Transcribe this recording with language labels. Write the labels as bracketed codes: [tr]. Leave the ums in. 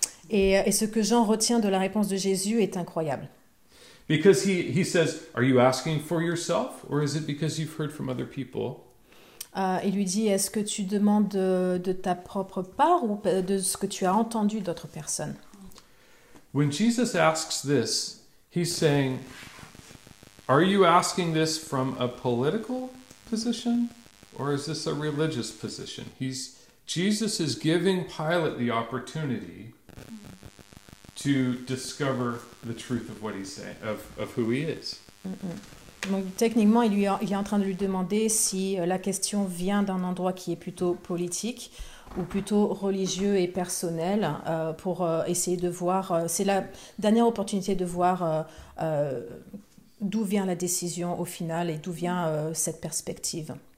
[fr] et, et ce que Jean retient de la réponse de Jésus est incroyable. [en] because he, he says are you asking for yourself or is it because you've heard from other people [fr] uh, il lui dit est-ce que tu demandes de, de ta propre part ou de ce que tu as entendu d'autres personnes [en] when jesus asks this he's saying are you asking this from a political position or is this a religious position he's jesus is giving pilate the opportunity mm -hmm. To discover the truth of what he's saying, of, of who he is. Mm -hmm. [fr] Donc, techniquement, il, lui a, il est en train de lui demander si euh, la question vient d'un endroit qui est plutôt politique ou plutôt religieux et personnel euh, pour euh, essayer de voir. C'est la dernière opportunité de voir d'où vient la décision au final et d'où vient cette perspective.